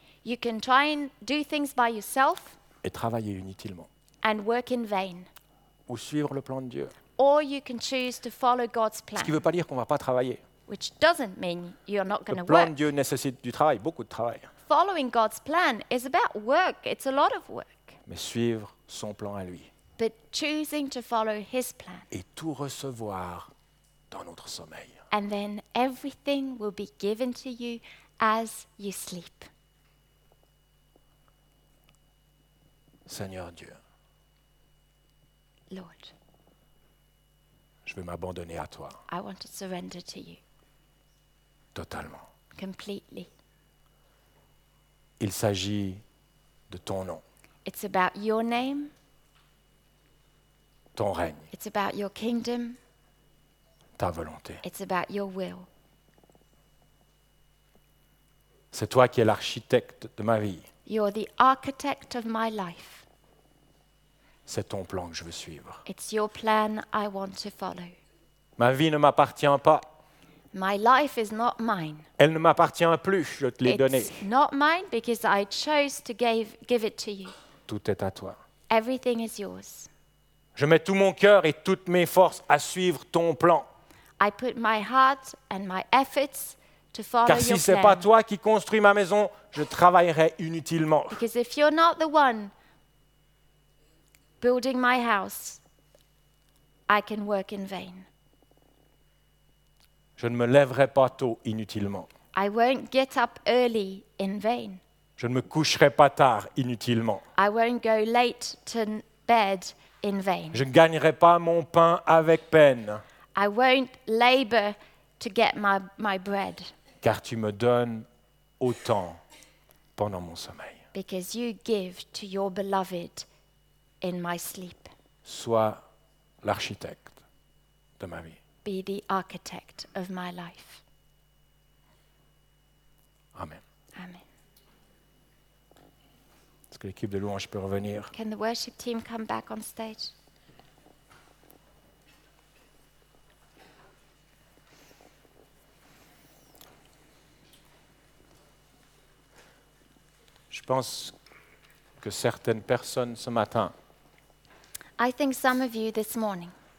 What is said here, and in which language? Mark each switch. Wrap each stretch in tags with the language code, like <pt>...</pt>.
<en>You can try and do things by yourself.</en> <fr>Et travailler inutilement.</fr> <en>And work in vain.</en> <fr>Ou suivre le plan de Dieu.</fr> <en>Or you can choose to follow God's plan.</en> <fr>Ce qui ne veut pas dire qu'on ne va pas travailler.</fr> <en>Which doesn't mean you're not going to work.</en> <fr>Le plan de Dieu nécessite du travail, beaucoup de travail.</fr> <en>following God's plan is about work. It's a lot of work.</en> <fr>Mais suivre son plan à lui.</fr> <en>But choosing to follow his plan.</en> <fr>Et tout recevoir dans notre sommeil.</fr> <en>And then everything will be given to you as you sleep.</en> <fr>Seigneur Dieu.</fr> <en>Lord.</en> <fr>Je veux m'abandonner à toi.</fr> <en>I want to surrender to you.</en> <fr>Totalement.</fr> <en>Completely.</en> <fr>Il s'agit de ton nom.</fr> <en>It's about your name.</en> <fr>Ton règne.</fr> <en>It's about your kingdom.</en> <fr>Ta volonté.</fr> <en>It's about your will.</en> <fr>C'est toi qui es l'architecte de ma vie.</fr> <en>You're the architect of my life.</en> <fr>C'est ton plan que je veux suivre.</fr> <en>It's your plan I want to follow.</en> <fr>Ma vie ne m'appartient pas.</fr> <en>My life is not mine.</en> <fr>Elle ne m'appartient plus, je te l'ai donnée.</fr> <en>It's not mine because I chose to give it to you.</en> <fr>Tout est à toi.</fr> <en>Everything is yours.</en> <fr>Je mets tout mon cœur et toutes mes forces à suivre ton plan.</fr> <en>I put my heart and my efforts to follow your plan.</en> <fr>Car si c'est pas toi qui construis ma maison, je travaillerai inutilement.</fr> <en>Because if you're not the one building my house, I can work in vain.</en> <fr>Je ne me lèverai pas tôt inutilement.</fr> <en>I won't get up early in vain.</en> <fr>Je ne me coucherai pas tard inutilement.</fr> <en>I won't go late to bed in vain.</en> <fr>Je ne gagnerai pas mon pain avec peine.</fr> <en>I won't labor to get my bread.</en> <fr>Car tu me donnes autant pendant mon sommeil.</fr> <en>Because you give to your beloved in my sleep.</en> <fr>Sois l'architecte de ma vie.</fr> <en>Be the architect of my life. Amen. Amen.</en> <fr>Est-ce que l'équipe de louange peut revenir?</fr> <en>Can the worship team come back on stage?</en> <fr>Je pense que certaines personnes ce matin.</fr> <en>I think some of you this morning</en>